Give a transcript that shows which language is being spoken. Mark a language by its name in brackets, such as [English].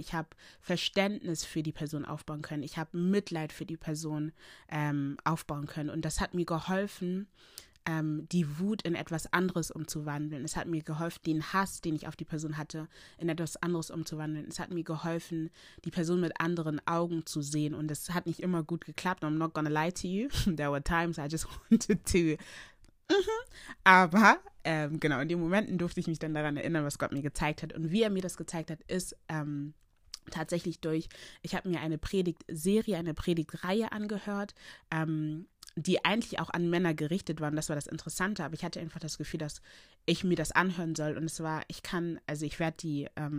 [German] Ich habe Verständnis für die Person aufbauen können. Ich habe Mitleid für die Person aufbauen können. Und das hat mir geholfen, die Wut in etwas anderes umzuwandeln. Es hat mir geholfen, den Hass, den ich auf die Person hatte, in etwas anderes umzuwandeln. Es hat mir geholfen, die Person mit anderen Augen zu sehen. Und es hat nicht immer gut geklappt. [English] I'm not gonna lie to you. There were times I just wanted to. [German] Aber genau, in den Momenten durfte ich mich dann daran erinnern, was Gott mir gezeigt hat. Und wie er mir das gezeigt hat, ist tatsächlich durch, ich habe mir eine Predigtreihe angehört, die eigentlich auch an Männer gerichtet waren, das war das Interessante, aber ich hatte einfach das Gefühl, dass ich mir das anhören soll und es war, ich werde die